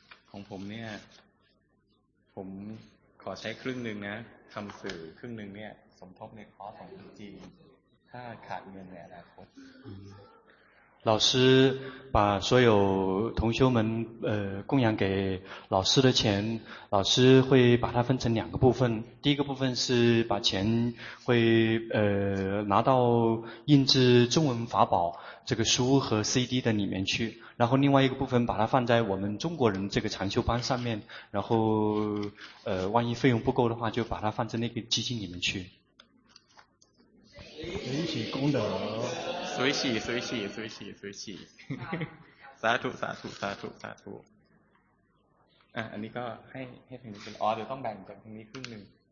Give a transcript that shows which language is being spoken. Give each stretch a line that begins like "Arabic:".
Thai: ของผมเนี่ยผมขอใช้ครึ่งหนึ่งนะทำสื่อครึ่งหนึ่งเนี่ยสมทบในคอร์สของจีนถ้าขาดเงินในอนาคต
Chinese: 老师把所有同修们供养给老师的钱老师会把它分成两个部分第一个部分是把钱会拿到印制中文法宝这个书和 CD 的里面去然后另外一个部分把它放在我们中国人这个禅修班上面然后万一费用不够的话就把它放在那个基金里面去随喜功德随喜随喜随喜随喜洒土洒土
Thai: 洒土洒土อันนี้ก็ให้ถึงเป็นอ๋อเดี๋ยวต้องแบ่งจากทางนี้ครึ่งหนึ่ง